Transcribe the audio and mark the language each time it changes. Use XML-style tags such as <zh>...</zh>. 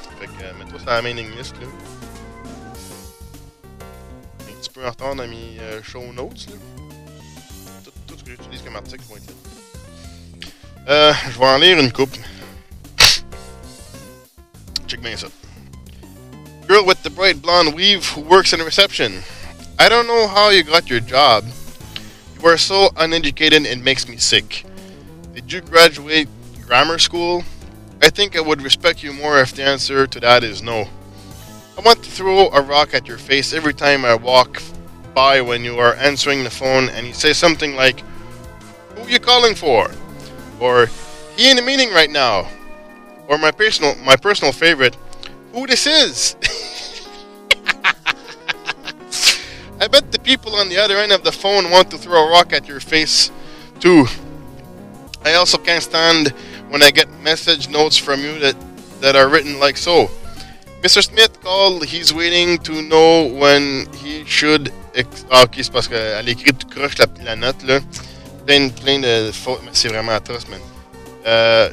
<fr>Fait que mets-toi sur la mailing list là. Un petit peu en retard dans mes show notes là. Tout ce que j'utilise comme article va être là. Je vais en lire une couple. Check bien ça.</fr> <en>girl with the bright blonde weave who works in reception. I don't know how you got your job. You are so uneducated, it makes me sick. Did you graduate grammar school? I think I would respect you more if the answer to that is no. I want to throw a rock at your face every time I walk by when you are answering the phone and you say something like, "Who are you calling for?" Or, "He in a meeting right now." Or my personal favorite, "Who this is?" I bet the people on the other end of the phone want to throw a rock at your face too. I also can't stand when I get message notes from you that are written like so. Mr. Smith called, he's waiting to know when he should...</en> <fr>Ok, c'est parce qu'elle écrit tout croche la note, là. Plein de fautes, mais c'est vraiment atroce, man.</fr>